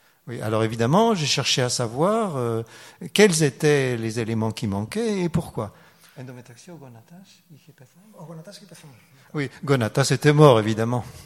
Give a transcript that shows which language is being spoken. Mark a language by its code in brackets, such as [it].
[fr] Oui, alors évidemment, j'ai cherché à savoir quels étaient les éléments qui manquaient et pourquoi. [el] Εντωμεταξύ, ο Γονατάς είχε πεθάνει. Ο Γονατάς είχε πεθάνει. [fr] Oui, Γονατάς était mort, évidemment.